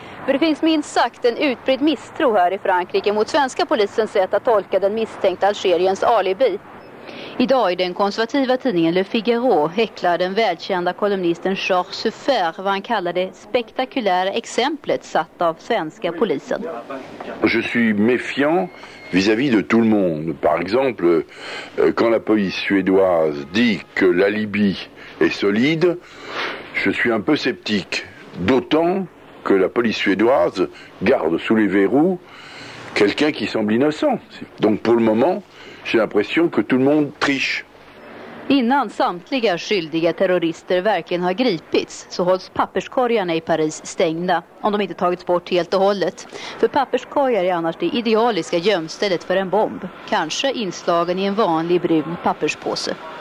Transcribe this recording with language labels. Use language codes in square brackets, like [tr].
[sv] För det finns minst sagt en utbredd misstro här i Frankrike mot svenska polisens sätt att tolka den misstänkta Algeriens alibi. Idag i den konservativa tidningen Le Figaro häcklar den välkända kolumnisten Charles Suffer vad han kallar det spektakulära exemplet satt av svenska polisen. [fr] Je suis méfiant vis-à-vis de tout le monde. Par exemple, quand la police suédoise dit que l'alibi est solide, je suis un peu sceptique. D'autant que la police suédoise garde sous les verrous quelqu'un qui semble innocent. Donc pour le moment, j'ai l'impression que tout le monde triche. [sv] Innan samtliga skyldiga terrorister verkligen har gripits så hålls papperskorgarna i Paris stängda om de inte tagits bort helt och hållet. För papperskorgar är annars det idealiska gömstället för en bomb. Kanske inslagen i en vanlig brun papperspåse.